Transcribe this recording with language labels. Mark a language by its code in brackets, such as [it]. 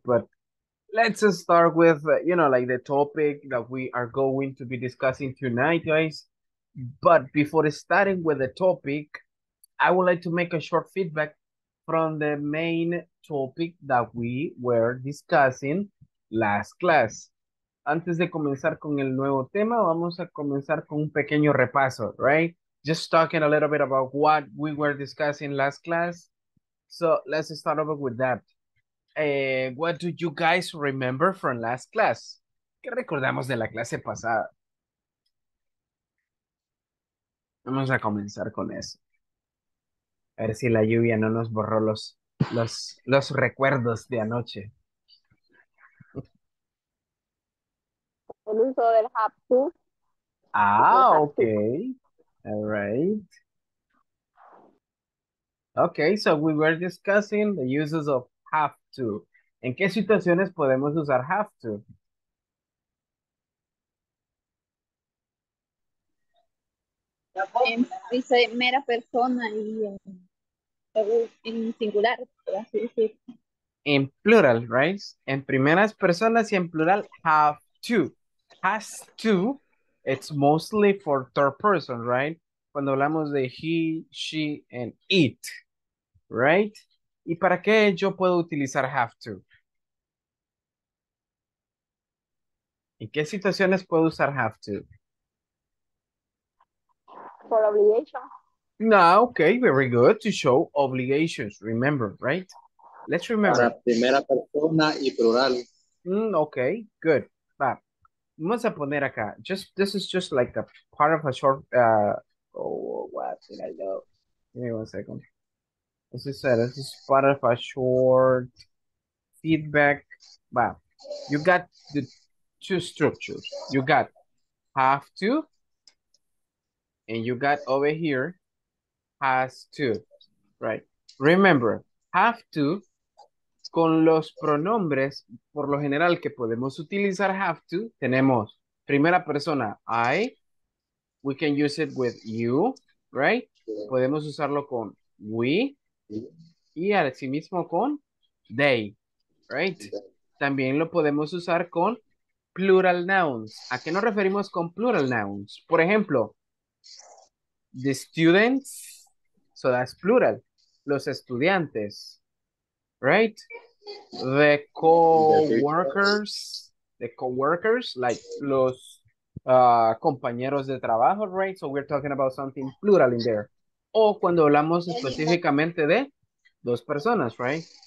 [en] But let's start with, like the topic that we are going to be discussing tonight, guys. But before starting with the topic, I would like to make a short feedback from the main topic that we were discussing last class. [es] Antes de comenzar con el nuevo tema, vamos a comenzar con un pequeño repaso, [en] right? Just talking a little bit about what we were discussing last class. So let's start over with that. What do you guys remember from last class? [es] ¿Qué recordamos de la clase pasada? Vamos a comenzar con eso. A ver si la lluvia no nos borró los recuerdos de anoche. el uso del hapú, Ah, hapú. [en] okay. All right. Okay, so we were discussing the uses of have to. [es] ¿En qué situaciones podemos usar have to? Dice mera persona y en singular, por así decirlo. En plural, [en] right? [es] En primeras personas y en plural, have to. [en] Has to, it's mostly for third person, right? [es] Cuando hablamos de he, she, and it, [en] right? [es] ¿Y para qué yo puedo utilizar have to? ¿En qué situaciones puedo usar have to? [en] For obligation. No, okay, very good. To show obligations, remember, right? Let's remember. [es] Para primera persona y plural. [en] Okay, good. [es] Vamos a poner acá. [en] Just this is just like a part of a short. What did I do? Give me 1 second. As I said, this is part of a short feedback. Wow, you got the two structures. You got have to, and you got over here has to, right? Remember, have to. [es] Con los pronombres, por lo general que podemos utilizar have to, tenemos primera persona, I. [en] We can use it with you, right? [es] Podemos usarlo con [en] we. [es] Y asimismo con they, [en] right? [es] También lo podemos usar con plural nouns. ¿A qué nos referimos con plural nouns? Por ejemplo, [en] the students, so that's plural. [es] Los estudiantes, [en] right? The co-workers, like [es] los compañeros de trabajo, right? [en] So we're talking about something plural in there. [es] O cuando hablamos específicamente de dos personas, [en] right?